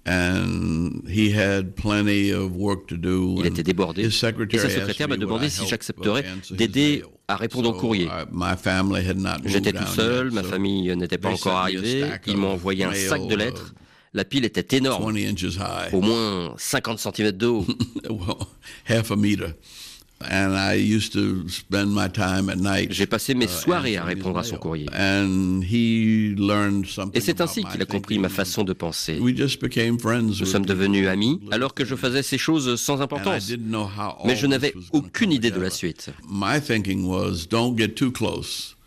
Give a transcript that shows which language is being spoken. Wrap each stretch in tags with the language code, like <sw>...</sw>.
<fr>Il était débordé et sa secrétaire m'a demandé si j'accepterais d'aider à répondre au courrier. J'étais tout seul, ma famille n'était pas encore arrivée. Ils m'ont envoyé un sac de lettres. La pile était énorme, au moins 50 cm de haut.</fr> <en>Half a meter. And I used to spend my time at night,</en> <fr>j'ai passé mes soirées à répondre à son courrier.</fr> <en>And he learned something.</en> <fr>Et c'est ainsi qu'il a compris ma façon de penser.</fr> <en>We just became friends.</en> <fr>Nous sommes devenus amis alors que je faisais ces choses sans importance.</fr> <en>And I didn't know how all.</en> <fr>Mais je n'avais aucune idée de la suite.</fr> <en>My thinking was, don't get too close.</en>